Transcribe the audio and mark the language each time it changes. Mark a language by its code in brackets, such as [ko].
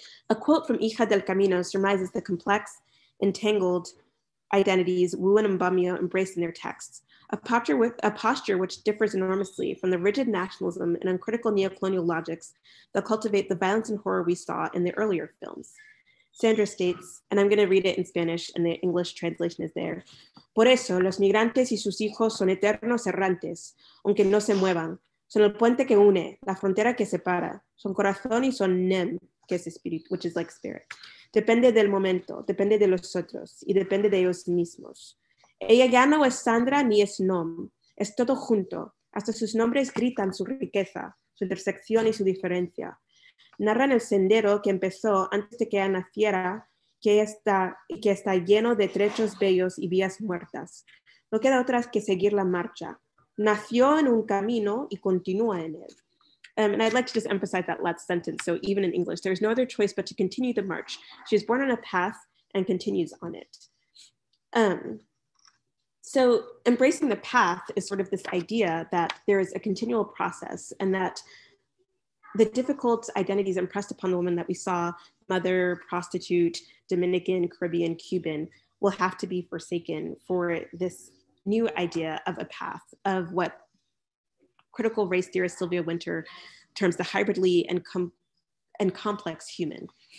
[en] A quote from Hija del Camino surmises the complex, entangled identities Wu and Mbomío embrace in their texts, a posture which differs enormously from the rigid nationalism and uncritical neocolonial logics that cultivate the violence and horror we saw in the earlier films. Sandra states, and I'm going to read it in Spanish, and the English translation is there. [es] Por eso, los migrantes y sus hijos son eternos errantes, aunque no se muevan. Son el puente que une, la frontera que separa. Son corazón y son nem, que es espíritu, [en] which is like spirit. [es] Depende del momento, depende de los otros, y depende de ellos mismos. Ella ya no es Sandra ni es nom, es todo junto. Hasta sus nombres gritan su riqueza, su intersección y su diferencia. Narran el sendero que empezó antes de que ella naciera, que está lleno de trechos bellos y vías muertas. No queda otra que seguir la marcha. Nació en un camino y continúa en él. [en] And I'd like to just emphasize that last sentence. So even in English, there's no other choice but to continue the march. She is born on a path and continues on it. So embracing the path is sort of this idea that there is a continual process and that the difficult identities impressed upon the woman that we saw, mother, prostitute, Dominican, Caribbean, Cuban, will have to be forsaken for this new idea of a path, of what critical race theorist Sylvia Winter terms the hybridly and complex human.